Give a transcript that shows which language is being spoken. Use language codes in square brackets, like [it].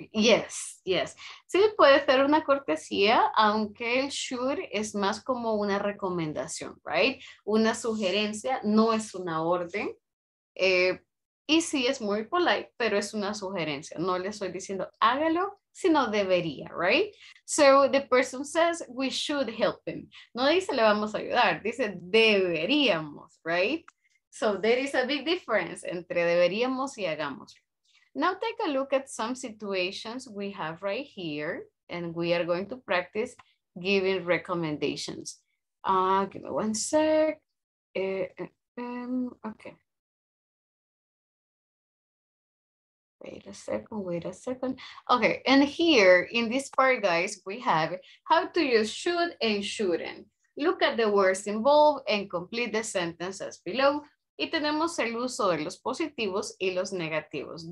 [es] Yes, yes. Sí, puede ser una cortesía, aunque el should es más como una recomendación, right? Una sugerencia, no es una orden. Y sí, es muy polite, pero es una sugerencia. No le estoy diciendo hágalo, sino debería, right? [en] So the person says we should help him. [es] No dice le vamos a ayudar, dice deberíamos, right? [en] So there is a big difference [es] entre deberíamos y hagamos. [en] Now take a look at some situations we have right here, and we are going to practice giving recommendations. Give me one sec. Okay. Wait a second. Okay, and here in this part, guys, we have how to use should and shouldn't. Look at the words involved and complete the sentences below. [es] Y tenemos el uso de los positivos y los negativos.